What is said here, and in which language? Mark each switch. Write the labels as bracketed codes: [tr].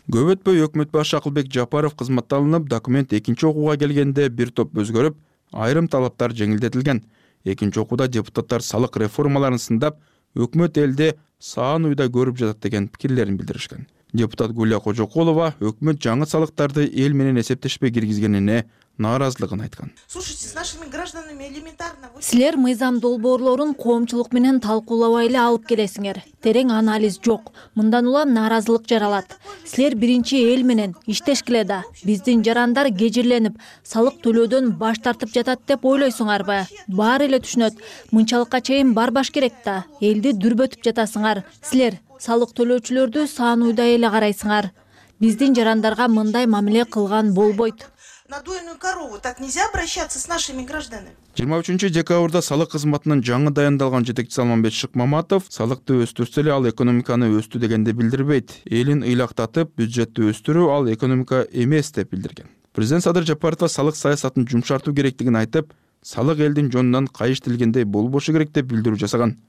[ky] Көп өтпөй өкмөт башчысы Акылбек Жапаров кызматта алынып, документ экинчи окууга келгенде бир топ өзгөрүп, айрым талаптар жеңилдетилген. Экинчи окууда депутаттар салык реформаларын сындап, өкмөт элди саан уйда көрүп жатат деген пикирлерин билдиришкен. Депутат Гүлия Кожокулова өкмөт жаңы салыктарды эл менен эсептешпей киргизгенине нааразылыгын айткан. [ru] Слушайте, с нашими гражданами элементарно. [ky] Силер мыйзам долбоорлорун коомчулук менен талкуулабай эле алып келесиңер. Терең анализ жок. Мындан улам нааразылык жаралат. Силер биринчи эл менен иштешкиле да, биздин жарандар кежирленип, салык төлөөдөн баш тартып жатат деп ойлойсуңарбы? Баары эле түшүнөт. Мынчалыкка чейин барбаш керек да. Элди дүрбөтүп жатасыңар. Силер салык төлөөчүлөрдү саан уйда эле карайсыңар. Биздин жарандарга мындай мамиле кылган болбойт. [ru] На дойную корову так нельзя обращаться с нашими гражданами. [ky] 23 декабрда салык кызматынын жаңы дайындалган жетекчиси Алмамбет Шыкмаматов салыкты өстүрсө эле ал экономиканы өстү дегенде билдирбейт. Элин ыйлактатып, бюджетти өстүрүү ал экономика эмес деп билдирген. Президент Садыр Жапаров салык саясатын жумшартуу керектигин айтып, салык элдин жонунан кайыштылгандай болбошу керек деп билдирүү жасаган.